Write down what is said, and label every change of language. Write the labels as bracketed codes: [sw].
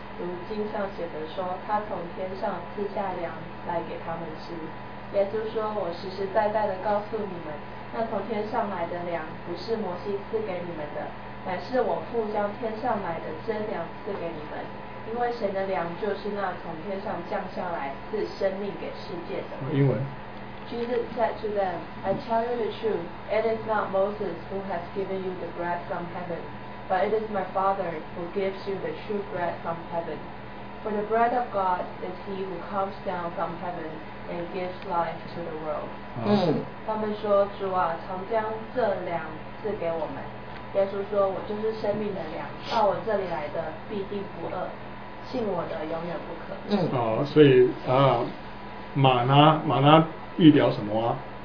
[zh] 如经上写的说，他从天上赐下粮来给他们吃。耶稣说：“我实实在在的告诉你们，那从天上来的粮不是摩西赐给你们的，乃是我父将天上来的真粮赐给你们。因为神的粮就是那从天上降下来赐生命给世界的。英文。 [en] Jesus said to them, I tell you the truth, it is not Moses who has given you the bread from heaven, but it is my Father who gives you the true bread from heaven. For the bread of God is he who comes down from heaven and gives life to the world. [zh] 他们说，主啊，常将这粮赐给我们。耶稣说，我就是生命的粮，到我这里来的必定不饿，信我的永远不渴。所以啊，玛拿预表什么啊？